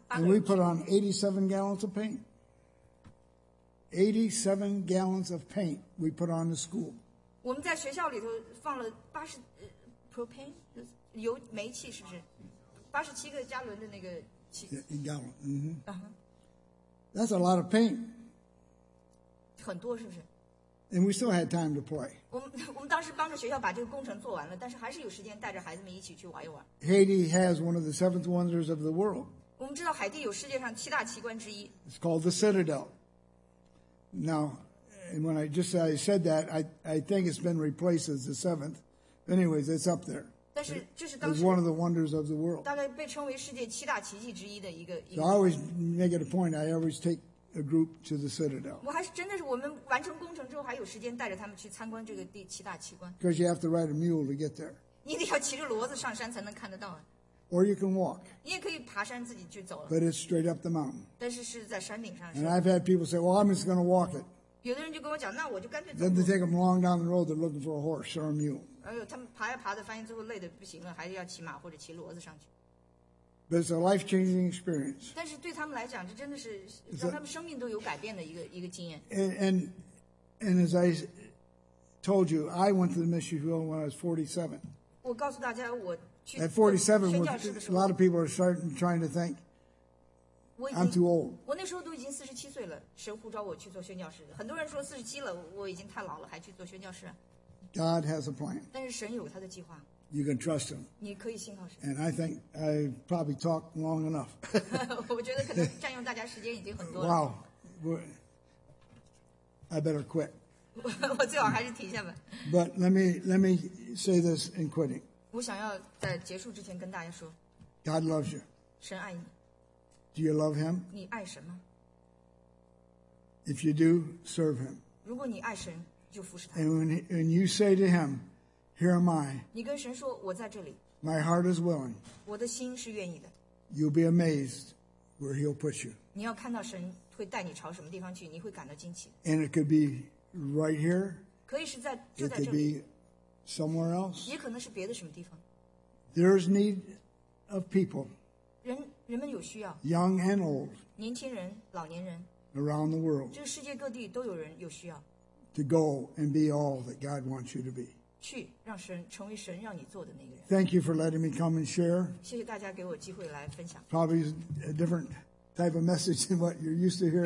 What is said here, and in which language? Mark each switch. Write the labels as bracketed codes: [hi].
[en] And we put on 87 gallons of paint. 87 gallons of paint we put on the school. [zh] 我们在学校里头放了八十propane 油煤气是不是？ 87个加仑的那个气。 [en] Yeah, in gallon. Mm-hmm. That's a lot of paint. [zh] 很多是不是？ [en] And we still had time to play. [zh] 我们当时帮着学校把这个工程做完了，但是还是有时间带着孩子们一起去玩一玩。 [en] Haiti has one of the seventh wonders of the world. [zh] 我们知道海地有世界上七大奇观之一。 [en] It's called the Citadel. Now, and when I said that, I think it's been replaced as the seventh. Anyways, it's up there. [zh] 但是就是当时。 [en] It's one of the wonders of the world. [zh] 大概被称为世界七大奇迹之一的一个。 [en] So I always make it a point. I always take. A group to the citadel. [zh] 我还是真的是我们完成工程之后还有时间带着他们去参观这个第七大奇观。 [en] Because you have to ride a mule to get there. [zh] 你得要骑着骡子上山才能看得到啊。 [en] Or you can walk. [zh] 你也可以爬山自己去走了。 [en] But it's straight up the mountain. [zh] 但是在山顶上。 [en] And I've had people say, "Well, I'm just going to walk it." [zh] 有的人就跟我讲，那我就干脆走。 [en] Then they take them long down the road. They're looking for a horse or a mule. [zh] 哎呦，他们爬呀爬的，发现最后累的不行了，还是要骑马或者骑骡子上去。 [en] But it's a life-changing experience. [zh] 但是对他们来讲，这真的是让他们生命都有改变的一个经验。 [en] And as I told you, I went to the mission field when I was 47. [zh] 我告诉大家，我去。 [en] At 47, a lot of people are trying to think. I'm too old. [zh] 我那时候都已经四十七岁了，神呼召我去做宣教士。很多人说四十七了，我已经太老了，还去做宣教士。 [en] God has a plan. [zh] 但是神有他的计划。 [en] You can trust him. [zh] 你可以信靠神。 [en] And I think I probably talked long enough. [zh] 我觉得可能占用大家时间已经很多了。 [en] Wow, I better quit. [zh] 我最好还是停下吧。 [en] But let me say this in quitting. [zh] 我想要在结束之前跟大家说。 [en] God loves you. [zh] 神爱你。 [en] Do you love him? [zh] 你爱神吗 [en] ？If you do, serve him. [zh] 如果你爱神，就服侍他。 [en] And when you say to him. Here am I. [zh] 你跟神说，我在这里。 [en] My heart is willing. [zh] 我的心是愿意的。 [en] You'll be amazed where He'll put you. [zh] 你要看到神会带你朝什么地方去，你会感到惊奇。 [en] And it could be right here. [zh] 可以是在就在这里。 [en] It could be somewhere else. [zh] 也可能是别的什么地方。 [en] There's need of people. [zh] 人人们有需要。 [en] Young and old. [zh] 年轻人，老年人。 [en] Around the world. [zh] 这个世界各地都有人有需要。 [en] To go and be all that God wants you to be. [zh] 去让神成为神让你做的那个人。 [en] Thank you for letting me come and share. [zh] 谢谢大家给我机会来分享。 [en] Probably a different type of message than what you're used to hearing.